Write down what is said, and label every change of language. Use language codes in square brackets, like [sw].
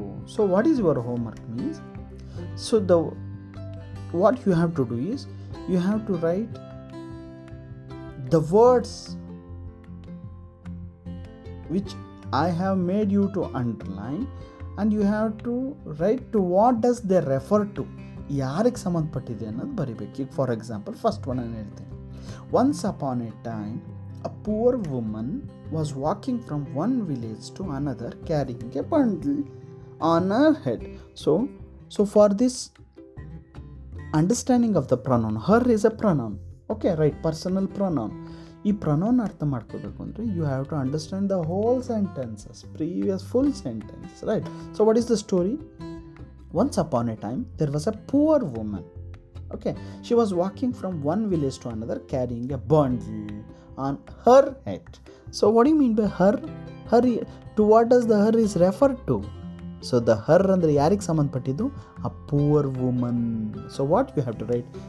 [en] So what is your homework means? So the what you have to do is, you have to write the words which I have made you to underline, and you have to write to what does they refer to. [kn] ಯಾರಿಗೆ ಸಂಬಂಧಪಟ್ಟಿದೆ ಅನ್ನೋದು ಬರಿಬೇಕು. ಈಗ for example first one ಅನ್ನು ಹೇಳ್ತೀನಿ. [en] Once upon a time a poor woman was walking from one village to another carrying a bundle on a head. So for this understanding of the pronoun, her is a pronoun, okay right, personal pronoun. [kn] ಈ pronoun ಅರ್ಥ ಮಾಡ್ಕೋಬೇಕು ಅಂದರೆ [en] You have to understand the whole sentences, previous full sentence, right. So what is the story? Once upon a time, there was a poor woman. Okay, she was walking from one village to another carrying a bundle on her head. So what do you mean by her? Her, to what does the her is referred to? So the her [kn] andre yarig sambandhapattiddu, [en] a poor woman. So what you have to write?